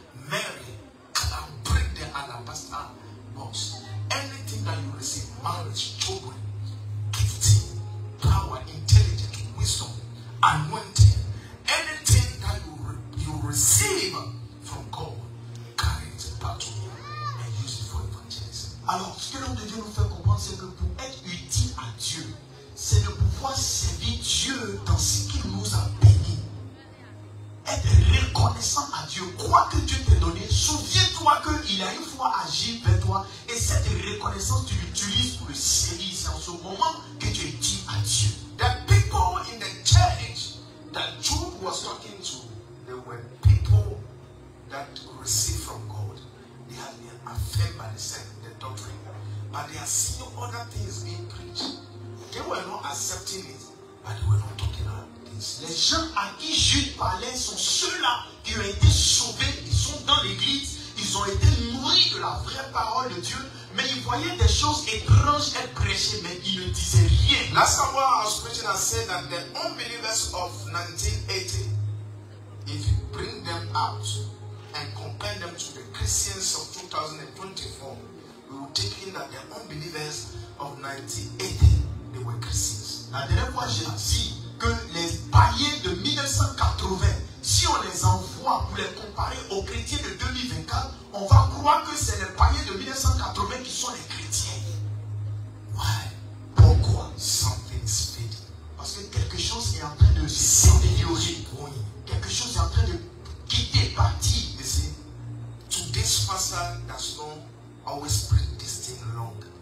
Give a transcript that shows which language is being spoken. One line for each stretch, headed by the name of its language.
English: Mary can break the alabaster box. Anything that you receive, marriage, children, gifting, power, intelligence, wisdom, anointing, anything that you receive from God, carry it back to you and use it for evangelism.
French: Alors, ce que l'homme de Dieu nous fait comprendre, c'est que pour être utile à Dieu, c'est de pouvoir servir Dieu dans ce qu'il nous a béni. Être reconnaissant à Dieu, crois que Dieu t'a donné, souviens-toi qu'il a une fois agi vers toi, et cette reconnaissance, tu l'utilises pour le servir. C'est en ce moment que tu es dit à Dieu.
English: The people in the church that Job was talking to, they were people that received from God. They had been affirmed by the doctrine, but they are seeing other things being preached. They were not accepting it, but they were not talking about this.
French: Les gens à qui Jude parlait sont ceux-là qui ont été sauvés. Ils sont dans l'église. Ils ont été nourris de la vraie parole de Dieu. Mais ils voyaient des choses étranges être prêchées, mais ils ne disaient rien.
English: Last time I was preaching, I said that the unbelievers of 1980, if you bring them out and compare them to the Christians of 2024, we will take in that the unbelievers of 1980, they were Christians.
French: La dernière fois, j'ai dit que les païens de 1980, si on les envoie pour les comparer aux chrétiens de 2024, on va croire que c'est les païens de 1980 qui sont les chrétiens.
English: Why?
French: Pourquoi?
English: Something is fading.
French: Parce que quelque chose est en train de s'améliorer. Oui. Quelque chose est en train de quitter, partir.
English: You see, today's pastor does not always preach this thing long.